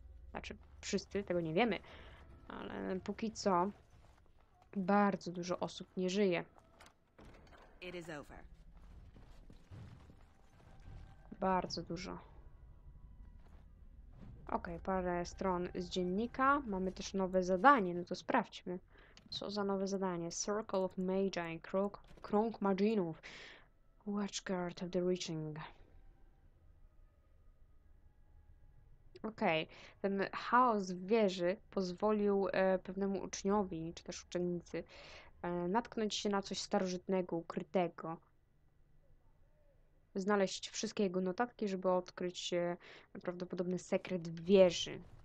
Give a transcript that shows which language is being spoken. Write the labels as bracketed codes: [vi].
[pl] Znaczy, wszyscy, tego nie wiemy, ale póki co bardzo dużo osób nie żyje. [en] It is over. [pl] Bardzo dużo. Okej, parę stron z dziennika. Mamy też nowe zadanie, no to sprawdźmy. Co za nowe zadanie? Circle of Magi, krąg Maginów. [en] Watchguard of the Reaching. [pl] Okej, okay. Ten chaos w wieży pozwolił pewnemu uczniowi, czy też uczennicy, natknąć się na coś starożytnego, ukrytego. Znaleźć wszystkie jego notatki, żeby odkryć prawdopodobny sekret wieży.